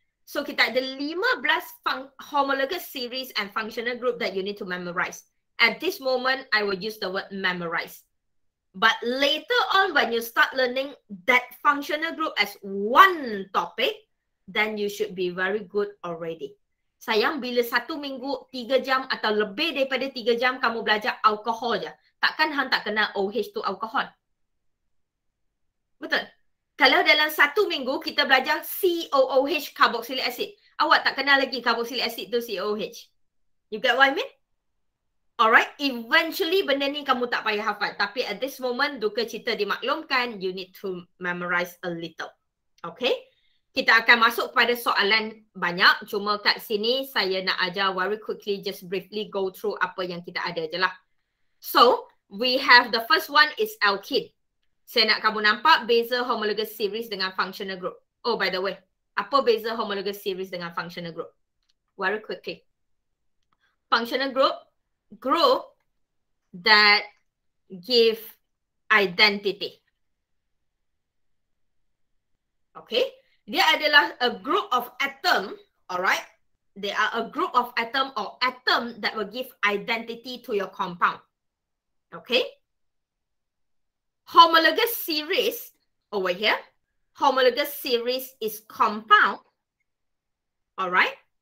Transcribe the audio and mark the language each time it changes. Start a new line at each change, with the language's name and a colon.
English: So,
Malay: kita ada
English: 15 homologous series and functional group that you need to memorize. At this moment, I will use the word memorize. But later on, when you start learning that functional group as one topic, then you should be very good already.
Malay: Sayang, bila satu minggu, 3 jam atau lebih daripada 3 jam, kamu belajar alkohol je. Takkan hang tak kenal OH2 alkohol? Betul? Kalau dalam satu minggu kita belajar COOH carboxylic acid, awak tak kenal lagi carboxylic acid tu COOH.
English: You get what I mean? Alright, eventually
Malay: benda ni kamu tak payah hafal. Tapi
English: at this moment,
Malay: duka cita dimaklumkan,
English: you need to memorize a little. Okay?
Malay: Kita akan masuk pada soalan banyak. Cuma kat sini saya nak ajar
English: very quickly, just briefly go through
Malay: apa yang kita ada je lah.
English: So, we have the first one is alkene.
Malay: Saya nak kamu nampak beza homologous series dengan functional group.
English: Oh, by the way,
Malay: apa beza
English: homologous series dengan functional group? Very quickly. Functional group that give identity. Okay?
Malay: Dia adalah
English: a group of atom, alright? They are a group of atom or atom that will give identity to your compound. Okay? Homologous series over here. Homologous series is compound. Alright.